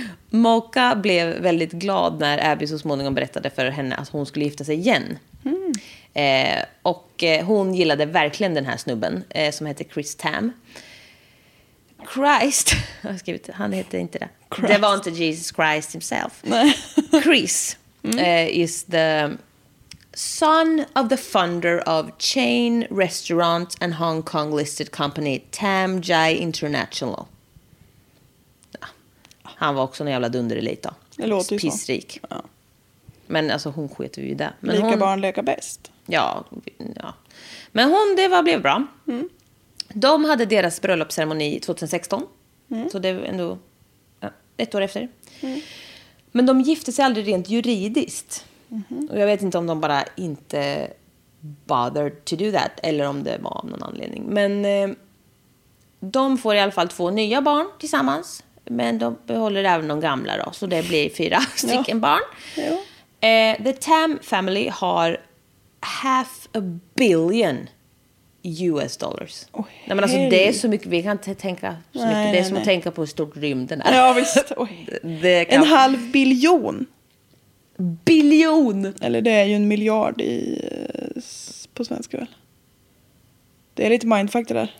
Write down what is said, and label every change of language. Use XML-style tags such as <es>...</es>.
<sv>Mocha blev väldigt glad när Abby så småningom berättade för henne att hon skulle gifta sig igen. Och hon gillade verkligen den här snubben som heter Chris Tam. Christ, jag har skrivit, han heter inte det. Christ. Det var inte Jesus Christ himself.</sv> <en>Chris is the son of the founder of chain restaurant and Hong Kong listed company Tam Jai International.</en> <sv>Ja. Han var också en jävla dunderelit då. Det låter ju pissrik. Så. Ja. Men alltså hon skete ju i det. Men lika hon... barn leka bäst. Ja, ja. Men hon, det var, blev bra. Mm. De hade deras bröllopsceremoni 2016. Mm. Så det var ändå ett år efter. Mm. Men de gifte sig aldrig rent juridiskt. Mm-hmm. Och jag vet inte om de bara inte</sv> <en>bothered to do that</en> <sv>eller om det var av någon anledning. Men de får i alla fall 2 nya barn tillsammans. Men de behåller även de gamla då. Så det blir 4 stycken barn. Ja.</sv> <en>The Tam family har half a billion US dollars. Oh,</en> <sv>nej, men alltså, det är så mycket, vi kan inte tänka så mycket. Nej, det är som att tänka på hur stort rymden är. Ja visst. Oh, en halv biljon. Biljon! Eller det är ju en miljard i, på svenska väl. Det är lite mindfuck det där.</sv>